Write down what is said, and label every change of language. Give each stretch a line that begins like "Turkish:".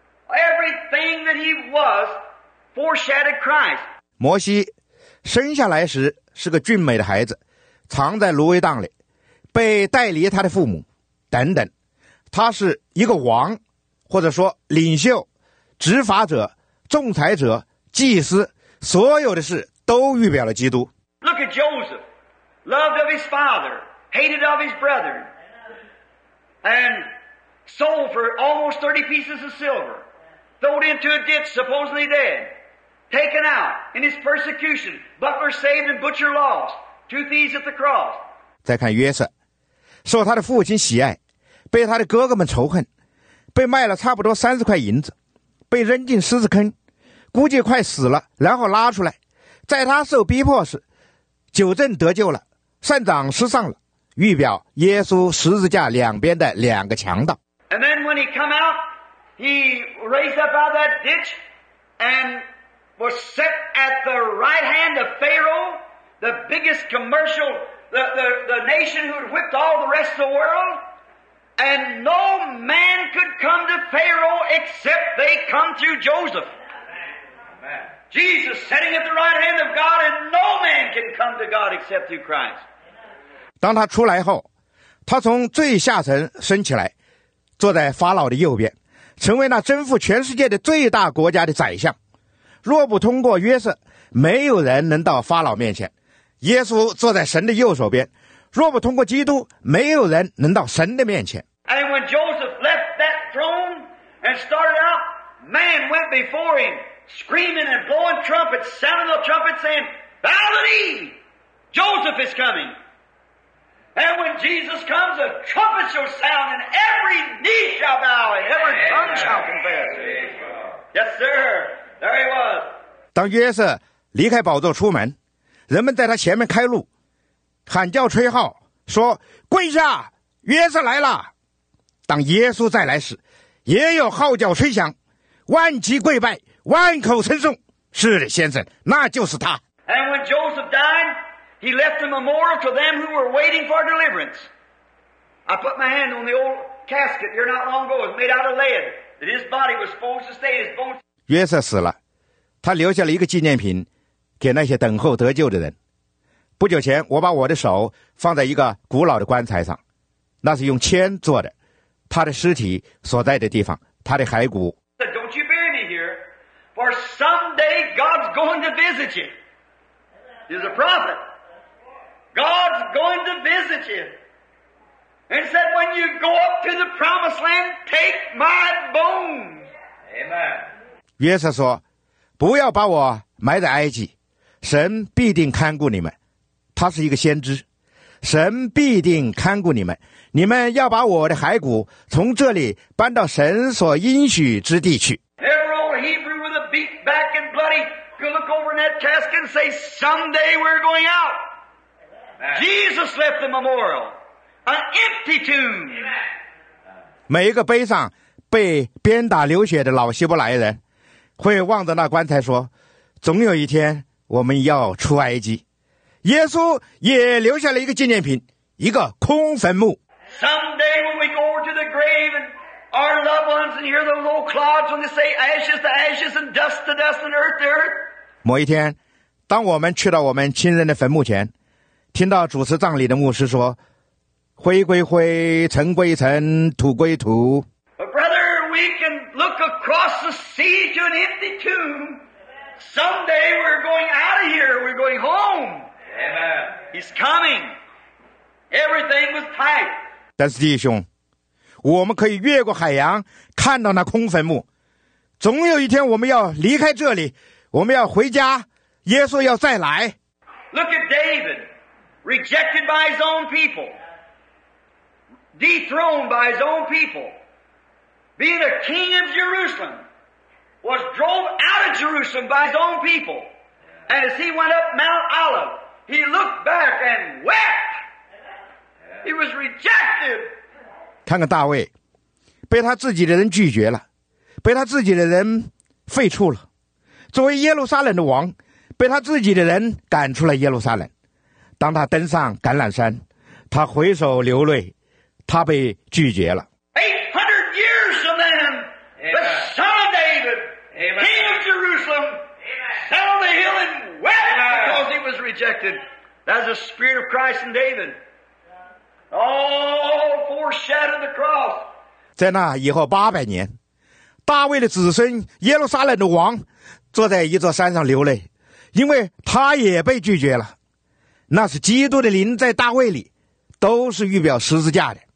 English: Everything that he was foreshadowed Christ.
Chinese: 摩西生下来时是个俊美的孩子，藏在芦苇荡里，被带离他的父母，等等。他是一个王，或者说领袖、执法者。仲裁者、祭司，所有的事都预表了基督。
English: Look at Joseph, loved of his father, hated of his brother, and sold for almost 30 pieces of silver, thrown into a ditch, supposedly dead, taken out in his persecution, butler saved and butcher lost, two thieves at the cross.
Chinese: 再看约瑟，受他的父亲喜爱，被他的哥哥们仇恨，被卖了差不多30块银子。被扔进狮子坑，估计快死了，然后拉出来，在他受逼迫时，九正得救了，善长失丧了，预表耶稣十字架两边的两个强盗。
English: And then when he come out, he raised up out of that ditch and was set at the right hand of Pharaoh, the biggest commercial, the nation who had whipped all the rest of the world. And no man could come to Pharaoh except they come through Joseph. Amen. Jesus sitting at the right hand of God, and no man can come to God except through Christ.
Chinese: 当他出来后，他从最下层升起来，坐在法老的右边，成为那征服全世界的最大国家的宰相。若不通过约瑟，没有人能到法老面前。耶稣坐在神的右手边，若不通过基督，没有人能到神的面前。
English: And when Joseph left that throne and started out, man went before him, screaming and blowing trumpets, sounding the trumpets, saying, "Bow the knee! Joseph is coming!" And when Jesus comes, the trumpets shall sound, and every knee shall bow, and every tongue shall confess. Yes, sir. There he was.
Chinese: 当约瑟离开宝座出门，人们在他前面开路，喊叫吹号，说：“跪下，约瑟来了。” 当耶稣再来时，也有号角吹响，万级跪拜，万口称颂，是的，先生，那就是他。
English: And when Joseph died, he left a memorial to them who were waiting for deliverance. I put my hand on the old casket here not long ago. It was made out of lead. That his body was supposed to stay. His bones.
Chinese: 约瑟死了，他留下了一个纪念品，给那些等候得救的人。不久前，我把我的手放在一个古老的棺材上，那是用铅做的。他的尸体所在的地方，他的骸骨。
English: Don't you bury me here, for someday God's going to visit you. He's a prophet. God's going to visit you. And said, when you go up to the promised land, take my bones. Amen.
Chinese: 约瑟说，不要把我埋在埃及，神必定看顾你们。他是一个先知。神必定看顾你们，你们要把我的骸骨从这里搬到神所应许之地去。
English: Every old Hebrew with a beat back and bloody could look over in that casket and say, "Someday we're going out." Jesus left the memorial, an empty tomb.
Chinese: 每一个背上被鞭打流血的老希伯来人，会望着那棺材说：“总有一天我们要出埃及。” 耶稣也留下了一个纪念品，一个空坟墓。
English: Someday when we go over to the grave and our loved ones and hear the low clods when they say ashes to ashes and dust to dust and earth to earth.
Chinese: 某一天，当我们去到我们亲人的坟墓前，听到主持葬礼的牧师说：“灰归灰，尘归尘，土归土。”
English: But brother, we can look across the sea to an empty tomb. Someday we're going out of here. We're going home. Amen. He's coming. Everything was tight.
Chinese: 但是弟兄，我们可以越过海洋，看到那空坟墓。总有一天我们要离开这里，我们要回家，耶稣要再来。
English: Look at David, rejected by his own people, dethroned by his own people, being a king of Jerusalem, was drove out of Jerusalem by his own people, and as he went up Mount Olive,He looked back and wept. He was rejected.
Chinese: 看看大卫，被他自己的人拒绝了，被他自己的人废黜了。作为耶路撒冷的王，被他自己的人赶出了耶路撒冷。当他登上橄榄山，他回首流泪，他被拒绝了。
English: 800 years of man, the son of David, king of Jerusalem, sat on the hill and wept. Because he was rejected. That's the spirit of Christ in David. Oh, foreshadowed the cross.
Chinese: 在那以后八百年，大卫的子孙耶路撒冷的王坐在一座山上流泪，因为他也被拒绝了。那是基督的灵在大卫里，都是预表十字架的。